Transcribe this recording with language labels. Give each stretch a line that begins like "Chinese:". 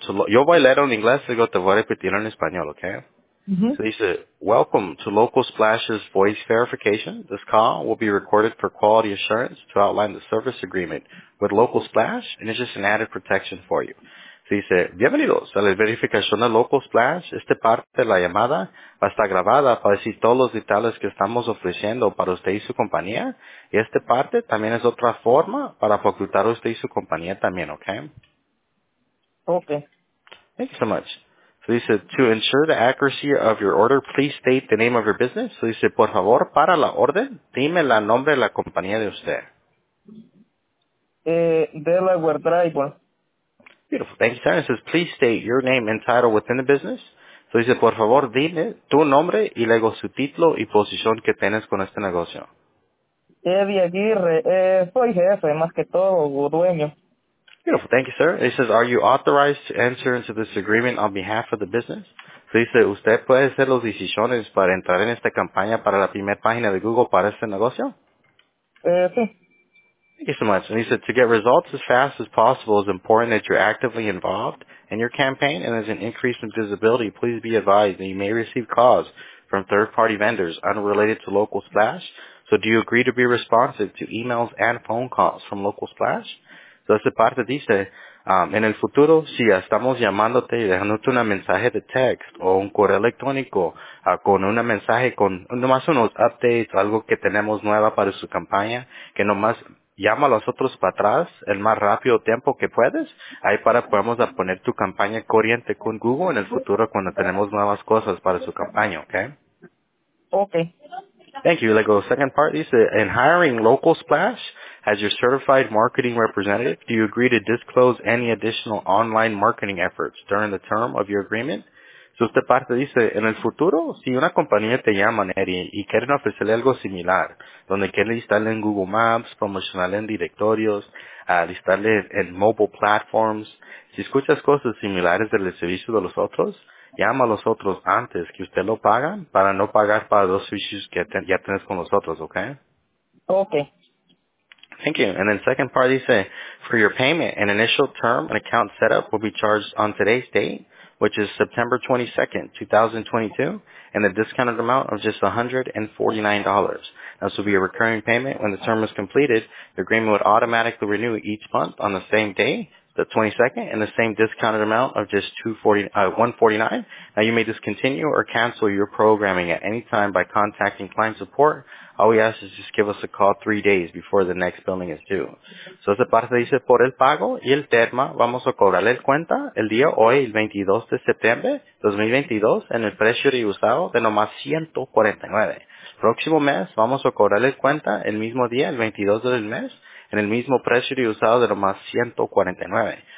Spanish: So, yo voy a leer en inglés y luego te voy a repetir en español, ¿ok? Mm-hmm.
English: So he said, welcome to Local Splash's voice verification. This call will be recorded for quality assurance to outline the service agreement with Local Splash, and it's just an added protection for you. So he said,
Spanish: bienvenidos a la verificación de Local Splash. Esta parte de la llamada va a estar grabada para decir todos los detalles que estamos ofreciendo para usted y su compañía. Y esta parte también es otra forma para facultar a usted y su compañía también, okay?
English: Okay. Thank you so much. So he said, to ensure the accuracy of your order, please state the name of your business. So he said,
Spanish: por favor, para la orden, dime el nombre de la compañía de usted.
English: Delaware Driver. Beautiful. Thank you, sir. He says, please state your name and title within the business. So he said,
Spanish: por favor, dime tu nombre y luego su título y posición que tienes con este negocio. Eddie Aguirre. Soy jefe, más que todo, dueño.
English: Beautiful. Thank you, sir. He says, are you authorized to enter into this agreement on behalf of the business? So he said,
Spanish: ¿usted puede hacer los decisiones para entrar en esta campaña para la primera página de Google para este negocio? Sí.
English: Thank you so much. And he said, to get results as fast as possible, it's important that you're actively involved in your campaign, and as an increase in visibility, please be advised that you may receive calls from third-party vendors unrelated to Local Splash. So do you agree to be responsive to emails and phone calls from Local Splash?
Spanish: So, esta parte dice, en el futuro, si estamos llamándote y dejándote un mensaje de text o un correo electrónico con un mensaje con nomás unos updates o algo que tenemos nueva para su campaña, que nomás llama a los otros para atrás el más rápido tiempo que puedes, ahí para podemos poner tu campaña corriente con Google en el futuro cuando tenemos nuevas cosas para su campaña, ¿ok?
English: Okay. Thank you. Let go. Second part, Lisa. In hiring Local Splash as your certified marketing representative, do you agree to disclose any additional online marketing efforts during the term of your agreement?
Spanish: So esta parte dice, en el futuro, si una compañía te llama, Neri, y quieren ofrecerle algo similar, donde quieren listarle en Google Maps, promocionarle en directorios, listarle en mobile platforms, si escuchas cosas similares del servicio de los otros, llama a los otros antes que usted lo pagan para no pagar para dos servicios que ya tienes con los otros, okay?
English: Okay. Thank you. And then second part dice, for your payment, an initial term, an account setup will be charged on today's date, which is September 22nd, 2022, and the discounted amount of just $149. This will be a recurring payment. When the term is completed, the agreement would automatically renew each month on the same day, the 22nd, and the same discounted amount of just $149. Now, you may discontinue or cancel your programming at any time by contacting client support. All we ask is just give us a call 3 days before the next billing is due.
Spanish: So, esa parte dice, por el pago y el termo, vamos a cobrarle el cuenta el día hoy, el 22 de septiembre 2022, en el precio reusado de nomás $149. Próximo mes, vamos a cobrarle el cuenta el mismo día, el 22 del mes, en el mismo precio reusado de nomás $149.